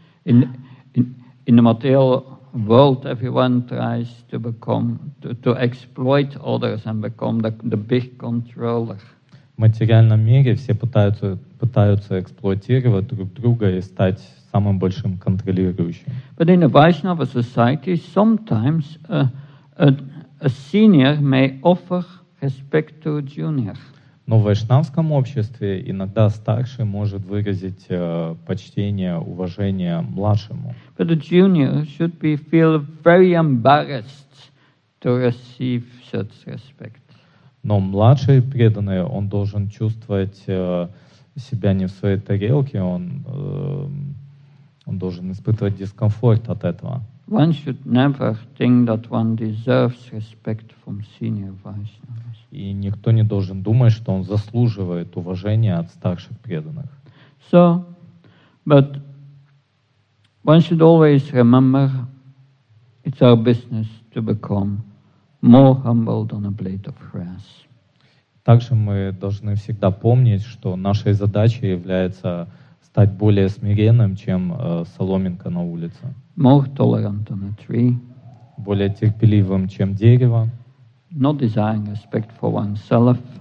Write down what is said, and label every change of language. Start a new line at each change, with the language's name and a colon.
English: In the material world, everyone tries to become to exploit others and become the big controller.
Russian: В материальном мире все пытаются эксплуатировать друг друга и стать самым большим контролирующим.
English: But in a Vaishnava society, sometimes a senior may offer respect to a junior.
Russian: Но в вайшнавском обществе иногда старший может выразить почтение, уважение младшему.
English: But the junior should be feel very embarrassed to receive such respect.
Russian: Но младший преданный, он должен чувствовать себя не в своей тарелке, он должен испытывать дискомфорт от этого.
English: One should never think that one deserves respect from senior Vaishnavas.
Russian: И никто не должен думать, что он заслуживает уважения от старших преданных.
English: So, but one should always remember it's our business to become more humble than a blade of grass.
Russian: Также мы должны всегда помнить, что нашей задачей является стать более смиренным, чем соломинка на улице.
English: More tolerant than a tree.
Russian: Более терпеливым, чем дерево.
English: Not desiring respect for oneself.